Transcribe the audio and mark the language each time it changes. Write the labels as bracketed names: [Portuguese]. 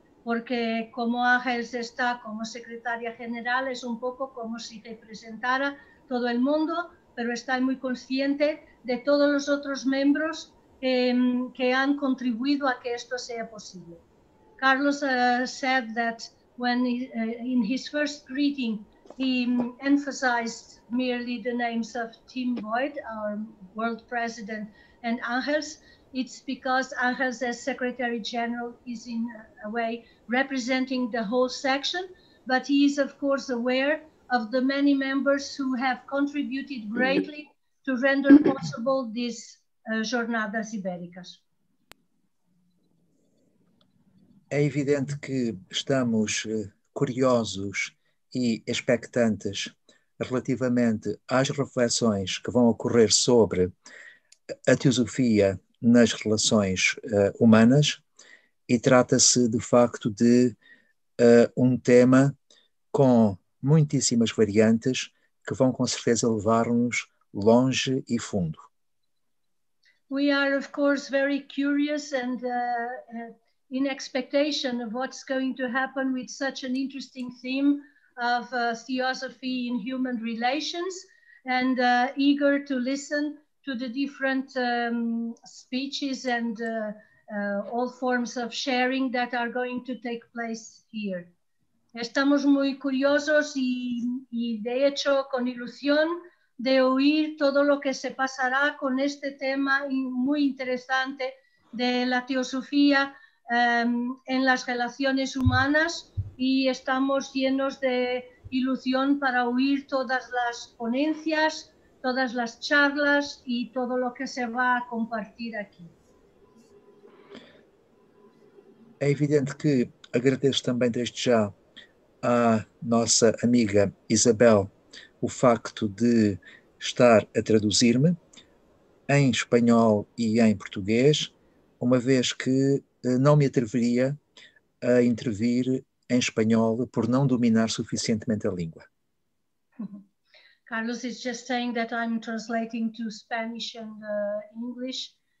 [Spanish] Porque como Ángeles está como secretaria general, es un poco como si representara todo el mundo, pero está muy consciente de todos los otros miembros que han contribuido a que esto sea posible. [English] Carlos said that when in his first greeting, he emphasized merely the names of Tim Boyd, our world president, and Ángeles. It's because Ángeles, as secretary general, is in a way representing the whole section, but he is of course aware of the many members who have contributed greatly to render possible these Jornadas Ibéricas. [Portuguese] É evidente que estamos curiosos e expectantes relativamente às reflexões que vão ocorrer sobre a teosofia nas relações humanas, e trata-se de facto de um tema com muitíssimas variantes que vão com certeza levar-nos longe e fundo. [English] We are of course very curious and in expectation of what's going to happen with such an interesting theme of theosophy in human relations, and eager to listen to the different speeches and all forms of sharing that are going to take place here. [Spanish] Estamos muy curiosos y de hecho con ilusión de oír todo lo que se pasará con este tema muy interesante de la teosofía en las relaciones humanas, y estamos llenos de ilusión para oír todas las ponencias, todas las charlas y todo lo que se va a compartir aquí. [Portuguese] É evidente que agradeço também desde já à nossa amiga Isabel o facto de estar a traduzir-me em espanhol e em português, uma vez que não me atreveria a intervir em espanhol por não dominar suficientemente a língua. [English] Carlos is just saying that I'm translating to Spanish and English.